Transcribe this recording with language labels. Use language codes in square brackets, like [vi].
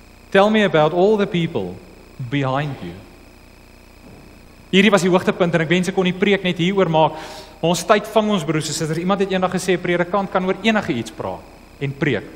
[en] Tell me about all the people behind you. [af] Hierdie was die hoogtepunt en ek wens ek kon die preek net hieroor maak. Maar ons tyd vang ons broers en susters. Iemand het eendag gesê, predikant kan oor enige iets praat en preek.